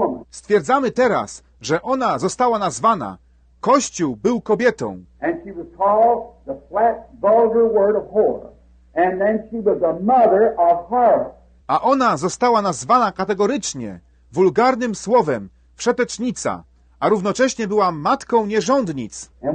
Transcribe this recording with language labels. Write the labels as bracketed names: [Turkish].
[Polish] Stwierdzamy teraz, że ona została nazwana. Kościół był kobietą. [English] And she was called the flat, vulgar word of whore. And then she was the mother of harlots. [Polish] A ona została nazwana kategorycznie, wulgarnym słowem, przetecznica, a równocześnie była matką nierządnic.